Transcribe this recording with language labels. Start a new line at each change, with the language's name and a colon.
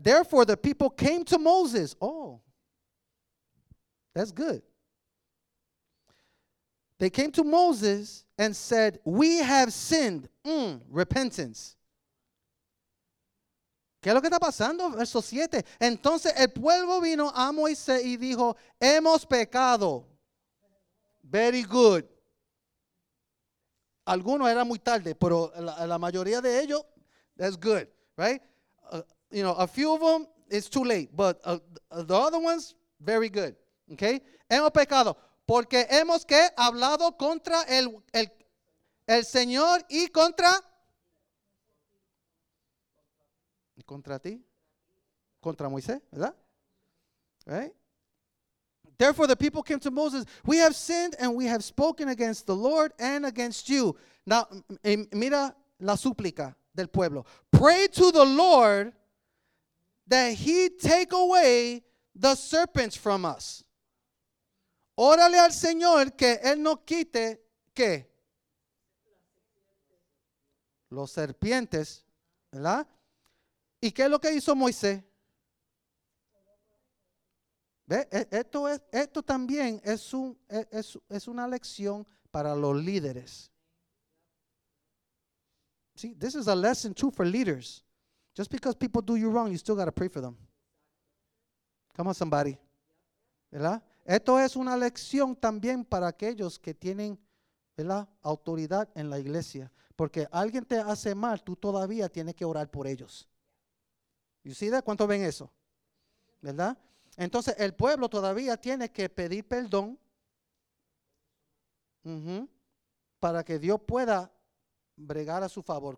English: Therefore the people came to Moses. Oh, that's good. They came to Moses and said, we have sinned. Repentance.
Spanish: ¿Qué es lo que está pasando? Verso 7. Entonces el pueblo vino a Moisés y dijo, hemos pecado.
English: Very good.
Spanish: Algunos era muy tarde, pero la mayoría de ellos,
English: that's good, right? A few of them, it's too late, but the other ones, very good, okay?
Spanish: Hemos pecado, porque hemos que hablado contra el Señor y contra... ¿Contra ti? ¿Contra Moisés, verdad?
English: Right? Therefore, the people came to Moses. We have sinned and we have spoken against the Lord and against you.
Spanish: Now, mira la súplica del pueblo.
English: Pray to the Lord that he take away the serpents from us.
Spanish: Órale al Señor que él no quite, ¿qué? Los serpientes, ¿verdad? ¿Y qué es lo que hizo Moisés? ¿Ve? Esto también es una lección para los líderes.
English: See, this is a lesson too for leaders. Just because people do you wrong, you still got to pray for them. Come on, somebody.
Spanish: ¿Verdad? Esto es una lección también para aquellos que tienen, ¿verdad?, autoridad en la iglesia. Porque alguien te hace mal, tú todavía tienes que orar por ellos.
English: You see that?
Spanish: ¿Cuánto ven eso? ¿Verdad? Entonces, el pueblo todavía tiene que pedir perdón para que Dios pueda bregar a su favor.